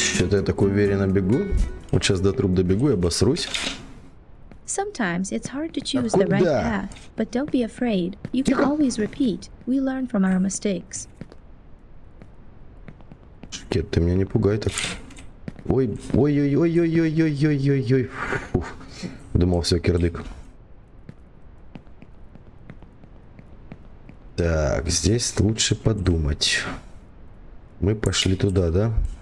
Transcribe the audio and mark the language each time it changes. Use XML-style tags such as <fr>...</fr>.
<ru>Я так уверенно бегу. Вот сейчас до труб добегу, я обосрусь.</ru> <en>Sometimes it's hard to choose the right path, but don't be afraid. You can always repeat. We learn from our mistakes.</en> <ru>Шкет, ты меня не пугай так. Ой, ой, ой, ой, ой, ой, ой, ой, ой, ой. Уф, думал, все, кирдык. Так, здесь лучше подумать. Мы пошли туда, да?</ru>